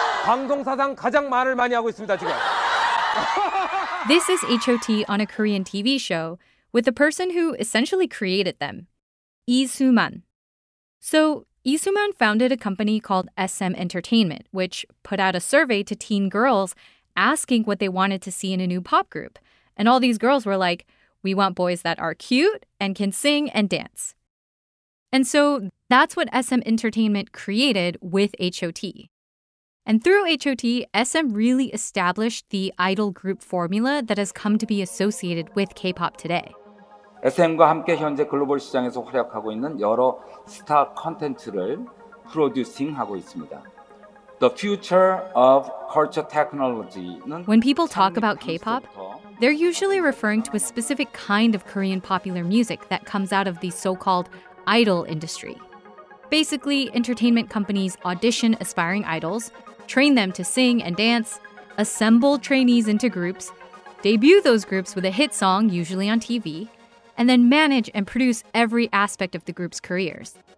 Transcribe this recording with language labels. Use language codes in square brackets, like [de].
[ko] 방송사상 가장 말을 많이 하고 있습니다, 지금. [en] This is H.O.T. on a Korean TV show with the person who essentially created them, Lee Soo-man. So, Lee Soo-man founded a company called SM Entertainment, which put out a survey to teen girls asking what they wanted to see in a new pop group. And all these girls were like, we want boys that are cute and can sing and dance. And so that's what SM Entertainment created with H.O.T. And through H.O.T., SM really established the idol group formula that has come to be associated with K-pop today. [ko] SM과 함께 현재 글로벌 시장에서 활약하고 있는 여러 스타 콘텐츠를 프로듀싱하고 있습니다. [en] The future of culture technology. When people talk about K-pop, they're usually referring to a specific kind of Korean popular music that comes out of the so-called idol industry. Basically, entertainment companies audition aspiring idols, train them to sing and dance, assemble trainees into groups, debut those groups with a hit song, usually on TV, and then manage and produce every aspect of the group's careers.